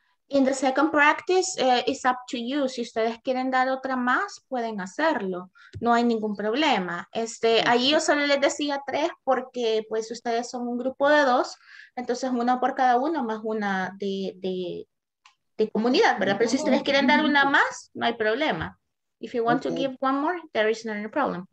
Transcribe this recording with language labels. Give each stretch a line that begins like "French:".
English: In the second practice, it's up to you.
Spanish: Si ustedes quieren dar otra más, pueden hacerlo. No hay ningún problema. Ahí yo solo les decía tres porque pues ustedes son un grupo de dos. Entonces, una por cada uno más una de comunidad, ¿verdad? Pero si ustedes quieren dar una más, no hay problema.
English: If you want to give one more, there is not any problem.